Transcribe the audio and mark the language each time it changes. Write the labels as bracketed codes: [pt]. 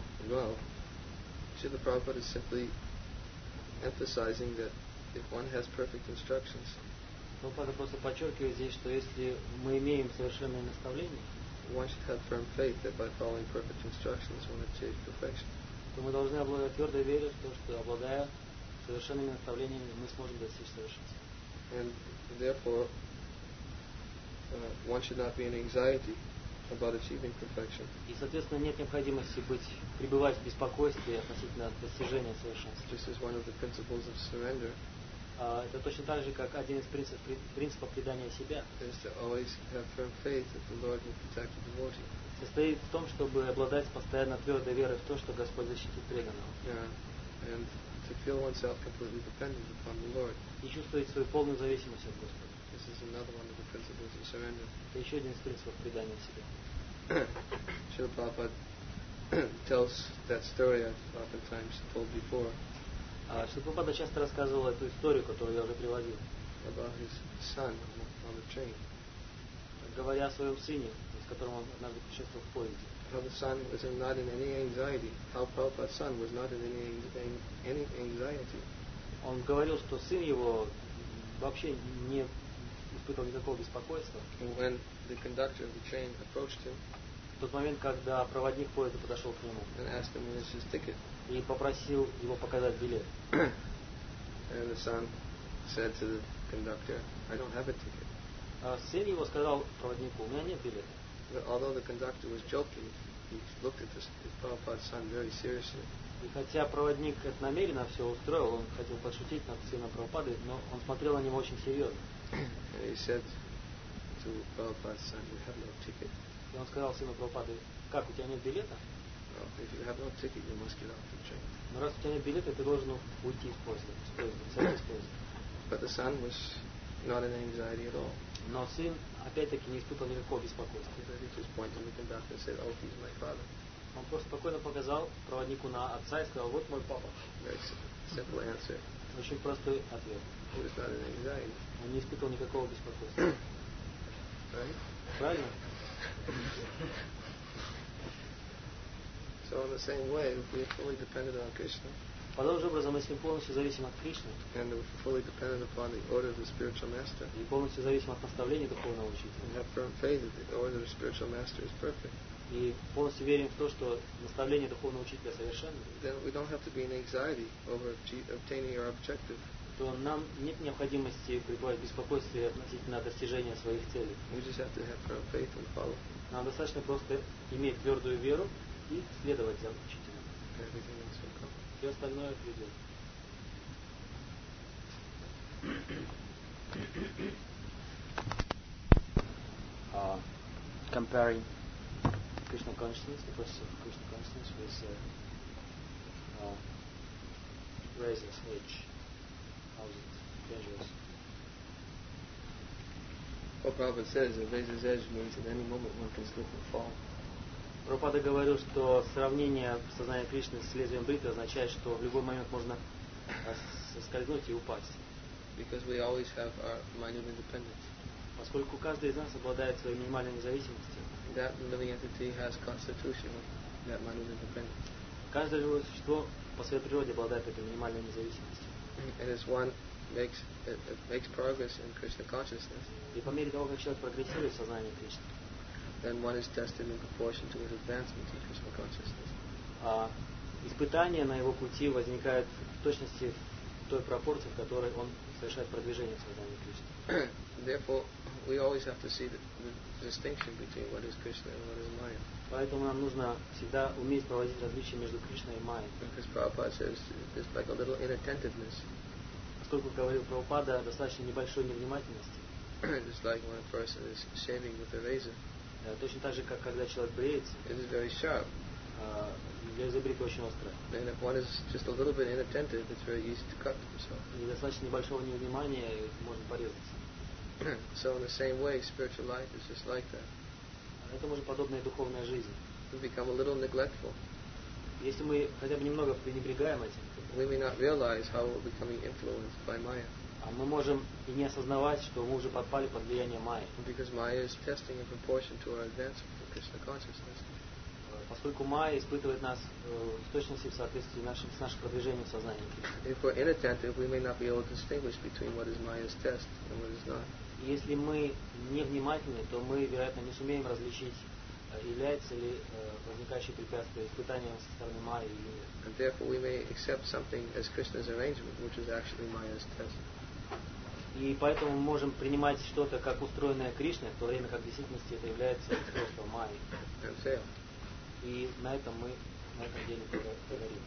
[en] Well, Srila Prabhupada is simply emphasizing that if one has perfect instructions. [ru] Прабхупада просто подчеркивает здесь, что если мы имеем совершенное наставление, [en] one should have firm faith that by following perfect instructions one achieves perfection. [ru] то мы должны обладать твердой верой в то, что обладая совершенными направлениями, мы сможем достичь совершенства. [en] And therefore, one should not be in anxiety about achieving perfection. [ru] И, соответственно, нет необходимости быть, пребывать в беспокойстве относительно достижения совершенства. [en] This is one of the principles of surrender. [ru] Это точно так же, как один из принципов предания себя. [en] Is to always have firm faith that the Lord will protect the devotee. [ru] Состоит в том, чтобы обладать постоянно твердой верой в то, что Господь защитит преданного. [en] Yeah. And to feel oneself completely dependent upon the Lord. [ru] И чувствовать свою полную зависимость от Господа. [en] This is another one of the principles of surrender. [ru] Это еще один из принципов предания себя. [en] Srila Prabhupada tells that story I've oftentimes told before. [ru] Шрила Прабхупада часто рассказывал эту историю, которую я уже приводил. [en] About his son on the train. [ru] Говоря о своем сыне, с которым он однажды путешествовал в поезде. [en] How the son was not in any anxiety. How Prabhupada's son was not in any anxiety. [ru] Он говорил, что сын его вообще не испытывал никакого беспокойства. [en] When the conductor of the train approached him. [ru] В тот момент, когда проводник поезда подошел к нему. [en] And asked him where's his ticket. [ru] И попросил его показать билет. [en] And the son said to the conductor, I don't have a ticket. [ru] Сын его сказал проводнику, у меня нет билета. [en] Although the conductor was joking, he looked at his Prabhupada's son very seriously. [ru] И хотя проводник это намеренно все устроил, он хотел подшутить над сыном Прабхупады, но он смотрел на него очень серьезно. [en] And he said to Prabhupada's son, you have no ticket. [ru] И он сказал сыну Прабхупады, как, у тебя нет билета? [en] Well, if you have no ticket, you must get off the train. [ru] Но раз у тебя нет билета, ты должен уйти из поезда. [en] But the son was not in anxiety at all. [ru] Но сын опять-таки не испытывал никакого беспокойства. [en] He just pointed to the conductor and said, "Oh, he's my father." [ru] Он просто спокойно показал проводнику на отца и сказал, "Вот мой папа." [en] Very simple answer. [ru] Очень простой ответ. [en] He was not in anxiety. [ru] Он не испытывал никакого беспокойства. [en] Right? [ru] Правильно? [en] So in the same way, if we are fully dependent on Krishna. [ru] Подобным же образом, если мы полностью зависим от Кришны. [en] And if we're fully dependent upon the order of the spiritual master. [ru] И полностью зависим от наставления духовного учителя. [en] And have firm faith that the order of the spiritual master is perfect. [ru] И полностью верим в то, что наставление духовного учителя совершенно. [en] Then we don't have to be in anxiety over obtaining our objective. [ru] То нам нет необходимости пребывать в беспокойстве относительно достижения своих целей. [en] We just have to have firm faith and follow. [ru] Нам достаточно просто иметь твердую веру. И следовать за учителем. Все остальное придет. [en] Comparing Krishna consciousness, the process of Krishna consciousness with razor's edge. How is it dangerous? Well, Prabhupada says a razor's edge means at any moment one can slip and fall. [ru] Прабхупада говорил, что сравнение сознания Кришны с лезвием бритвы означает, что в любой момент можно соскользнуть и упасть. [en] Because we always have our minor independence. [ru] Поскольку каждый из нас обладает своей минимальной независимостью. [en] That living entity has constitution of that minor independence. [ru] Каждое живое существо по своей природе обладает этой минимальной независимостью. [en] And as one makes progress in Krishna consciousness. [ru] И по мере того, как человек прогрессирует в сознании Кришны. [en] Then one is tested in proportion to his advancement in Krishna consciousness. [ru] Испытания на его пути возникают в точности в той пропорции, в которой он совершает продвижение в сознании Кришны. [en] Therefore, we always have to see the distinction between what is Krishna and what is Maya. [ru] Поэтому нам нужно всегда уметь проводить различия между Кришной и Майей. [en] Because Prabhupada says it's like a little inattentiveness. [ru] Поскольку говорил Прабхупада, достаточно небольшой невнимательности. [en] It's like when a person is shaving with a razor. [ru] Точно так же, как когда человек бреется. [en] It is very sharp. [ru] Лезвие бритвы очень острое. [en] And if one is just a little bit inattentive, it's very easy to cut himself. [ru] Недостаточно небольшого невнимания, можно порезаться. [en] So in the same way, spiritual life is just like that. [ru] Это может подобная духовная жизнь. [en] We become a little neglectful. [ru] Если мы хотя бы немного пренебрегаем этим. [en] We may not realize how we're becoming influenced by Maya. [ru] А мы можем и не осознавать, что мы уже подпали под влияние Майи. [en] Because Maya is testing in proportion to our advancement of Krishna consciousness. [ru] Поскольку Майя испытывает нас в точности в соответствии с нашим продвижением сознания. [en] If we're inattentive, we may not be able to distinguish between what is Maya's test and what is not. [ru] Если мы невнимательны, то мы, вероятно, не сумеем различить является ли возникающее препятствие испытанием со стороны Майи или нет. [en] And therefore we may accept something as Krishna's arrangement, which is actually Maya's test. [ru] И поэтому мы можем принимать что-то как устроенное Кришной, в то время как в действительности это является устройством Майи. [en] And fail. [ru] И на этом мы на этом деле поговорим.